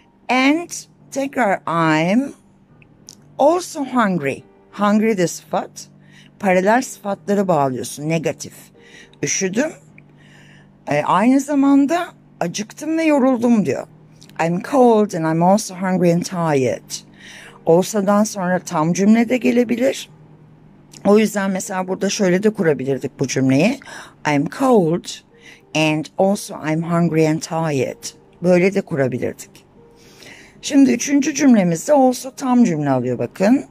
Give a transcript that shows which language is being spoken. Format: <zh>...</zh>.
<en>And tekrar I'm also hungry.</en> <tr>Hungry de sıfat. Paralel sıfatları bağlıyorsun. Negatif. Üşüdüm. Aynı zamanda acıktım ve yoruldum diyor.</tr> <en>I'm cold and I'm also hungry and tired.</en> <tr>Olsa'dan sonra tam cümle de gelebilir. O yüzden mesela burada şöyle de kurabilirdik bu cümleyi.</tr> <en>I'm cold and also I'm hungry and tired.</en> <tr>Böyle de kurabilirdik. Şimdi üçüncü cümlemizde also tam cümle alıyor bakın.</tr>